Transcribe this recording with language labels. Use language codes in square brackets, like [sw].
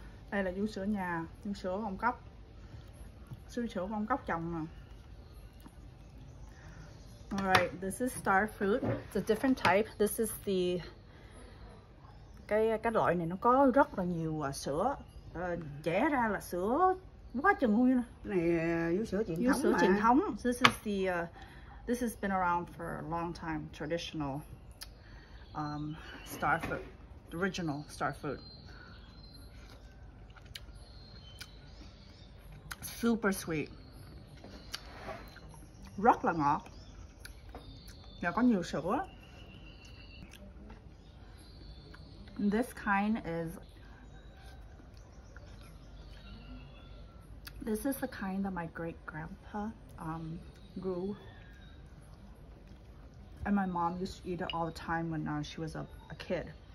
[vi] Đây là vú sữa nhà. Vú sữa ông cóc. Sữa sữa ông cóc chồng nè. [en] Alright, this is star fruit. It's a different type. This is the [vi] cái loại này nó có rất là nhiều sữa. Chẻ ra là sữa quá chừng luôn. Này vú sữa truyền thống. Vú sữa truyền thống. [en] This is the this has been around for a long time. Traditional star fruit, the original star fruit. Super sweet. [vi] Rất là ngọt. Và có nhiều sữa. [en] This kind is, this is the kind that my great grandpa grew, and my mom used to eat it all the time when she was a kid.